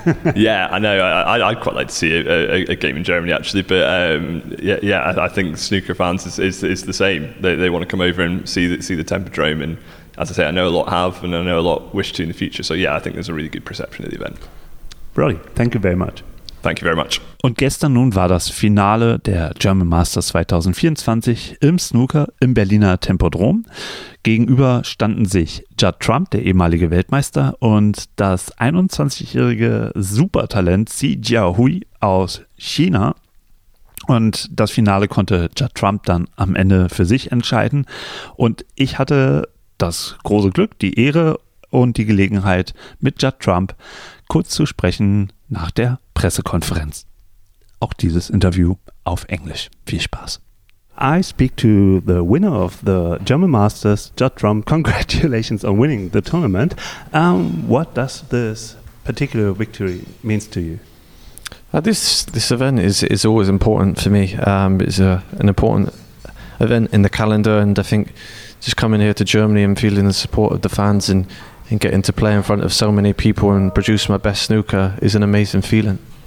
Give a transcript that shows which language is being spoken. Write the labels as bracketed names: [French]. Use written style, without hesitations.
[English] I know. I'd quite like to see a game in Germany, actually, but I think snooker fans is the same. They want to come over and see the Tempodrome, and as I say, I know a lot have, and I know a lot wish to in the future. So I think there's a really good perception of the event. Brilliant. Thank you very much. Thank you very much. [German] Und gestern nun war das Finale der German Masters 2024 im Snooker im Berliner Tempodrom. Gegenüber standen sich Judd Trump, der ehemalige Weltmeister, und das 21-jährige Supertalent Xi Jiahui aus China. Und das Finale konnte Judd Trump dann am Ende für sich entscheiden. Und ich hatte das große Glück, die Ehre und die Gelegenheit, mit Judd Trump kurz zu sprechen nach der Pressekonferenz. Auch dieses Interview auf Englisch. Viel Spaß. [English] I speak to the winner of the German Masters, Judd Trump. Congratulations on winning the tournament. What does this particular victory mean to you? This event is always important for me. It's an important event in the calendar, and I think just coming here to Germany and feeling the support of the fans and getting to play in front of so many people and produce my best snooker is an amazing feeling.